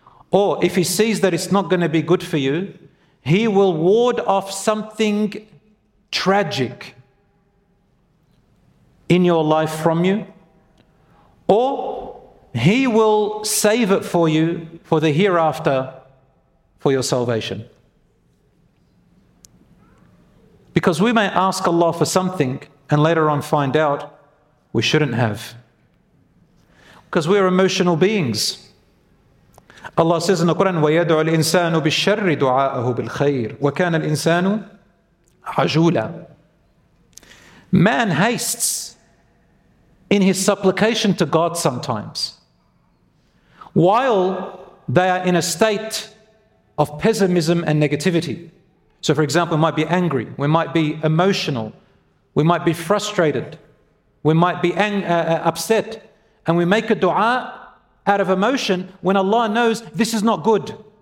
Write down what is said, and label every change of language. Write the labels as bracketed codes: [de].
[en] Or if He sees that it's not going to be good for you, He will ward off something tragic in your life from you, or He will save it for you for the hereafter, for your salvation. Because we may ask Allah for something and later on find out we shouldn't have. Because we are emotional beings. [ar] Allah says in the Quran, وَيَدْعُ الْإِنسَانُ بِالشَّرِّ دُعَاءَهُ بِالْخَيْرِ وَكَانَ الْإِنسَانُ عَجُولًا. [en] Man hastes in his supplication to God sometimes, while they are in a state of pessimism and negativity. So for example, we might be angry, we might be emotional, we might be frustrated, we might be upset, and we make a dua out of emotion when Allah knows this is not good.